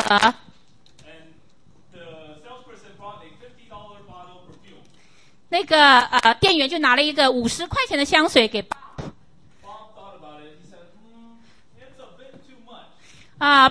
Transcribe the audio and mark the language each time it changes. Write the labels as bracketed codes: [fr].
[en] And the salesperson brought a $50 bottle of perfume. [zh] 那个店员就拿了一个50块钱的香水给 Bob。 [en] Bob thought about it. He said, it's a bit too much.